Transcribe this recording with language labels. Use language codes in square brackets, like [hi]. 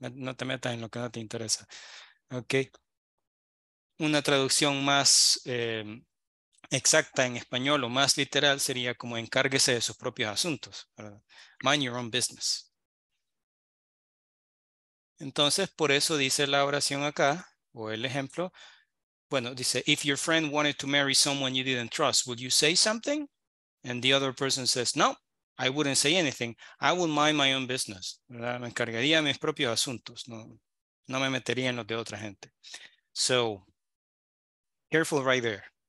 [es] No te metas en lo que no te interesa. Ok. Una traducción más exacta en español o más literal sería como encárguese de sus propios asuntos. ¿Verdad? [en] Mind your own business. [es] Entonces, por eso dice la oración acá, o el ejemplo. Bueno, dice, [en] if your friend wanted to marry someone you didn't trust, would you say something? And the other person says, no, I wouldn't say anything. I would mind my own business. [es] ¿Verdad? Me encargaría de mis propios asuntos. No me metería en los de otra gente. [en] So, careful right there.